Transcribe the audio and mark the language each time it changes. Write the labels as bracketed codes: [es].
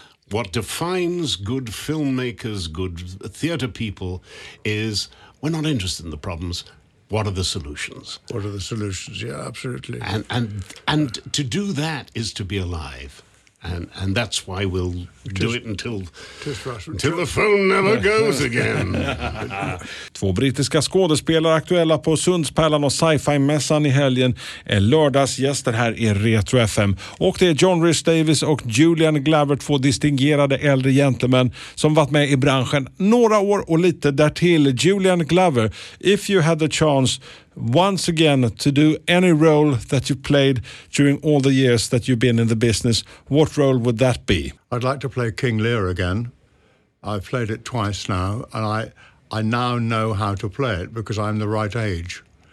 [en] What defines good filmmakers, good theater people, is we're not interested in the problems. What are the solutions? What are the solutions? Yeah, absolutely. And to do that is to be alive. And that's why we'll do it until the phone never goes again. [sv] Två brittiska skådespelare aktuella på Sundspärlan och sci-fi-mässan i helgen är lördagsgäster här i Retro FM. Och det är John Rhys Davies och Julian Glover, två distingerade äldre gentlemen som varit med i branschen några år och lite därtill. [en] Julian Glover, if you had the chance once again to do any role that you played during all the years that you've been in the business, what role would that be? I'd like to play King Lear again. I've played it twice now, and I now know how to play it because I'm the right age.